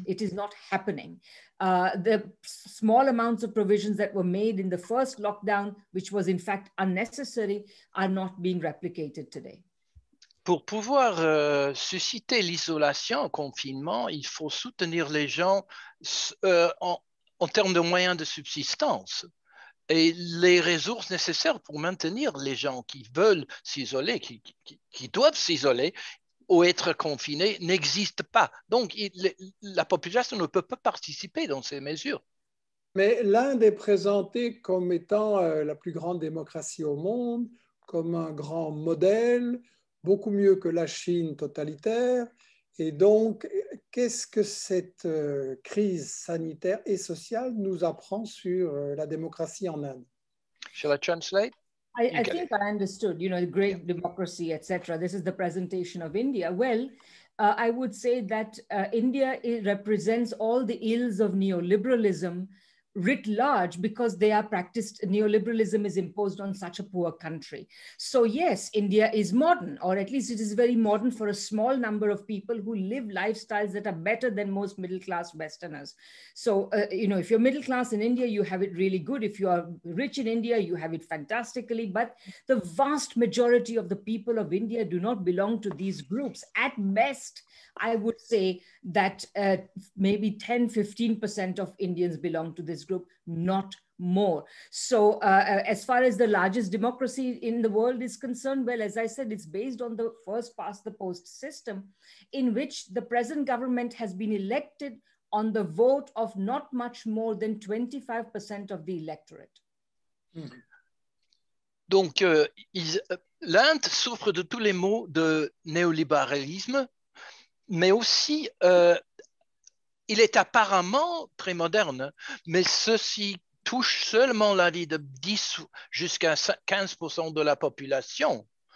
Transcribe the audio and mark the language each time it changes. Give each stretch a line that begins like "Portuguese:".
English: It is not happening. The small amounts of provisions that were made in the first lockdown, which was in fact unnecessary, are not being replicated today.
French: Pour pouvoir susciter l'isolation, confinement, il faut soutenir les gens en termes de moyens de subsistance. Et les ressources nécessaires pour maintenir les gens qui veulent s'isoler, qui doivent s'isoler ou être confinés, n'existent pas. Donc, la population ne peut pas participer dans ces mesures. Mais l'Inde est présentée comme étant la plus grande démocratie au monde, comme un grand modèle, beaucoup mieux que la Chine totalitaire. Et donc, qu'est-ce que cette crise sanitaire et sociale nous apprend sur la démocratie en Inde?
English: Shall I translate? I think I understood, you know, the great democracy, etc. This is the presentation of India. Well, I would say that India represents all the ills of neoliberalism writ large, because they are practiced, neoliberalism is imposed on such a poor country. So yes, India is modern, or at least it is very modern for a small number of people who live lifestyles that are better than most middle-class Westerners. So, you know, if you're middle-class in India, you have it really good. If you are rich in India, you have it fantastically. But the vast majority of the people of India do not belong to these groups. At best, I would say that maybe 10-15% of Indians belong to this group, not more. So as far as the largest democracy in the world is concerned, well, as I said, it's based on the first past the post system, in which the present government has been elected on the vote of not much more than 25% of the electorate.
French: Donc, l'Inde souffre de tous les maux de néolibéralisme, mais aussi il est apparemment très moderne, mais ceci touche seulement la vie de 10 jusqu'à 15% de la population.